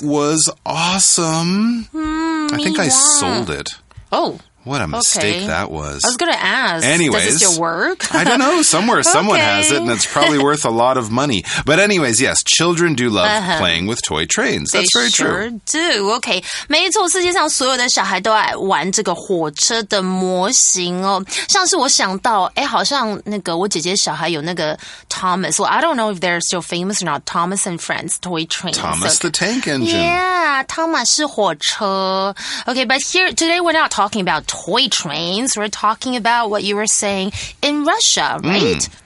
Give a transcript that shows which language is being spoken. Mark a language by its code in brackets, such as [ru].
[en] And it was awesome. I think I sold it. Oh. What a mistake that was. I was going to ask. Anyways. Does it still work? I don't know. Somewhere someone has it, and it's probably worth a lot of money. But anyways, yes, children do love playing with toy trains. That's very true. They sure do. Okay. [zh] 没错，世界上所有的小孩都爱玩这个火车的模型哦。像是我想到，诶，好像那个我姐姐小孩有那个 Thomas. [en] Well, I don't know if they're still famous or not. Thomas and Friends toy trains. Thomas the Tank Engine. [zh] Yeah, 汤马士火车。 [en] Okay, but here, today we're not talking about toy trains. We're talking about what you were saying in Russia, right?